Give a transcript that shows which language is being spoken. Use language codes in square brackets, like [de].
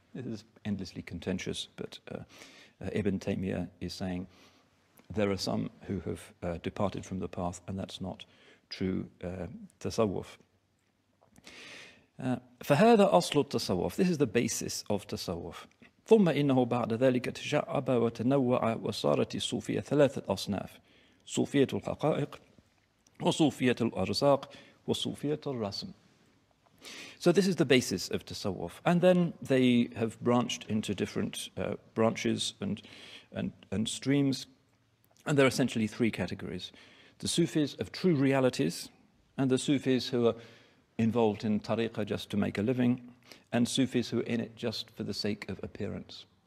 [en] This is endlessly contentious, but Ibn Taymiyyah is saying there are some who have departed from the path, and that's not true tasawwuf. [ar] فهذا أصل التصوف. [en] This is the basis of تصوف. [ar] ثم إنه بعد ذلك تشعب وتنوع وصارت الصوفية ثلاثة أصناف: صوفية الحقائق وصوفية الأرزاق وصوفية الرسم. [en] So this is the basis of tasawwuf, and then they have branched into different branches and streams, and there are essentially three categories: the Sufis of true realities, and the Sufis who are involved in tariqa just to make a living, and Sufis who are in it just for the sake of appearance.